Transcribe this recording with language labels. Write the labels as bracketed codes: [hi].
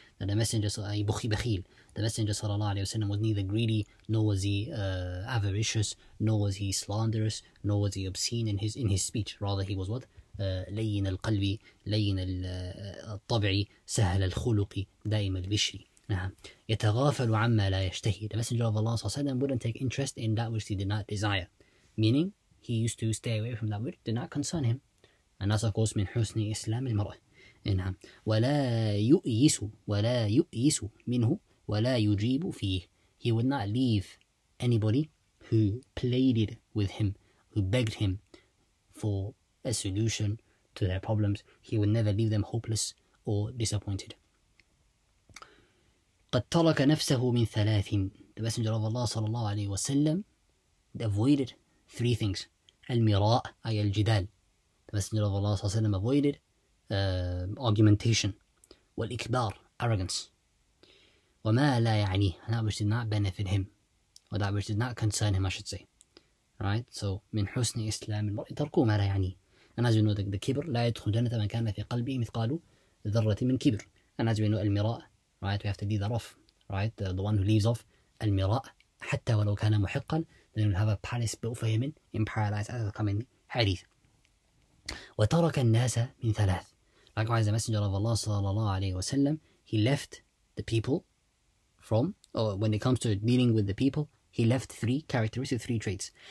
[en] Now the messenger [ar] بخي بخيل. [en] The messenger صلى الله عليه وسلم was neither greedy nor was he avaricious nor was he slanderous nor was he obscene in his speech. Rather he was what? [ar] لين القلب لين الطبع سهل الخلق دائم البشر. نعم يتغافل عما لا يشتهي. [en] The messenger of Allah صلى الله عليه وسلم wouldn't take interest in that which he did not desire. Meaning he used to stay away from that which did not concern him. And that's of course [ar] من حسن إسلام المرأة. نعم ولا يؤيس منه ولا يجيب فيه. [en] He would not leave anybody who pleaded with him, who begged him for a solution to their problems. He would never leave them hopeless or disappointed. [ar] قد ترك نفسه من ثلاث. [en] The Messenger of Allah صلى الله عليه وسلم avoided three things. [ar] المراء أي الجدال. [en] The Messenger of Allah صلى الله عليه وسلم avoided argumentation. [ar] والإكبار arrogance. وما لا يعنيه. [en] That which did not benefit him. Or that which did not concern him, I should say. Right? [ar] So, من حسن إسلام المرء تركوا ما لا يعنيه. [en] And as we know, the [ar] كبر لا يدخل جنة من كان في قلبه مثقال ذرة من كبر. [en] And as we know, المراء. Right, we have to leave that off. Right, the one who leaves off المراء [ar] حتى ولو كان محقا, [en] then we'll have a palace built for him in paradise, as it comes in hadith. [ar] وترك الناس من ثلاث. [en] Likewise, the Messenger of Allah صلى الله عليه وسلم, he left the people from, or when it comes to dealing with the people, he left three characteristics, three traits.